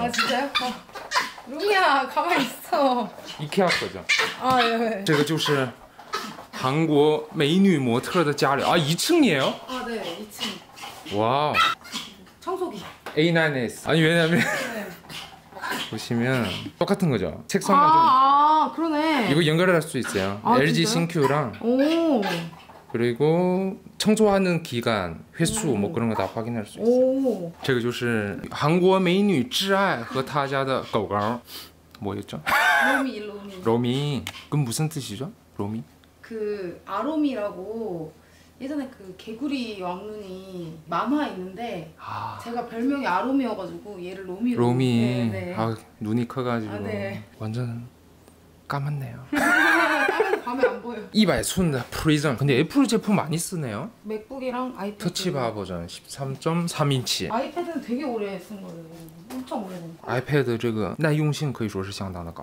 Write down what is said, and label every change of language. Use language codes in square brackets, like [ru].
[ko] 아진짜요루미야가만히있어 이케아거죠 아예예 [zh] 这个就是韩国美女模特的家里啊， [ko] 一층이에요 아네이층 와 청소기 A9S 아니왜냐면 보시면똑같은거죠책상만 아그러네 이거연결할수있어요 LG 신큐랑 오 그리고청소하는기간횟수뭐그런거다확인할수있어요 오 [zh] 这个就是韩国美女挚爱和她家的狗狗 [ko] 뭐였죠 로미로미 로미그무슨뜻이죠로미 그아로미라고예전에그개구리왕눈이만화있는데제가별명이아로미여가지고얘를로미 로미、 네 네、아눈이커가지고、 네、 완전까맣네요 밤에안보여 120인프리즘근데애플제품많이쓰네요 맥북이랑아이패드 터치바버전 13.3 인치 아이패드는되게오래쓴거예요 [zh] 아이패드这个耐用性可以说是相当的高。